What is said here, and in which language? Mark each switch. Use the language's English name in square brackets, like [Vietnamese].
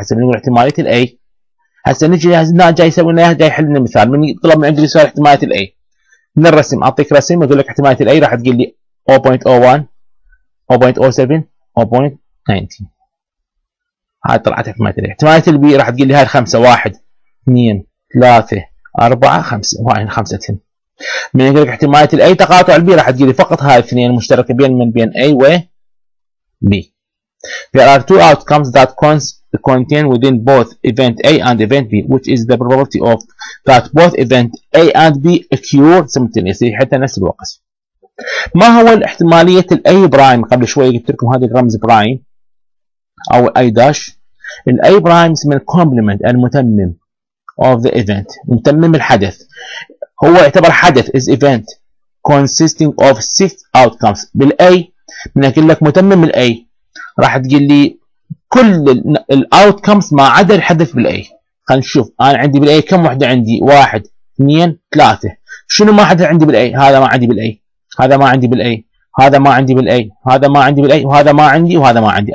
[Arabic] هسه بنقول احتماليه الاي، هسه نجي جاي يسوي لنا جاي يحل لنا مثال، من يطلب من عندي سؤال احتماليه الاي، من الرسم اعطيك رسم اقول لك احتماليه الاي، راح تقول لي 0.01 0.07 0.19 هاي طلعت احتماليه الاي. احتماليه البي راح تقول لي هاي الخمسه 1 2 3 4 5 وين خمسه اثنين. من يقول لك احتماليه الاي تقاطع البي راح تقول لي فقط هاي الاثنين المشتركه بين من بين اي و بي. [English] There are two outcomes that contain within both event A and event B, which is the probability of that both event A and B occur simultaneously. [Arabic] حتى نفس الوقت. ما هو الاحتمالية الـ A برايم؟ قبل شوي قلت لكم هذا الرمز برايم أو A داش. الـ A برايم اسمه الكومبلمنت المتمم of the event، متمم الحدث. هو يعتبر حدث [English] is event consisting of six outcomes. [Arabic] بالـ A من أقول لك متمم الـ A راح تقول لي كل الاوتكمز ما عدا الحدث بالاي. خلينا نشوف انا عندي بالاي كم وحده عندي؟ 1 2 3. شنو ما حدث عندي بالاي؟ هذا ما عندي بالاي، هذا ما عندي بالاي، هذا ما عندي بالاي، هذا ما عندي بالاي، وهذا ما عندي، وهذا ما عندي.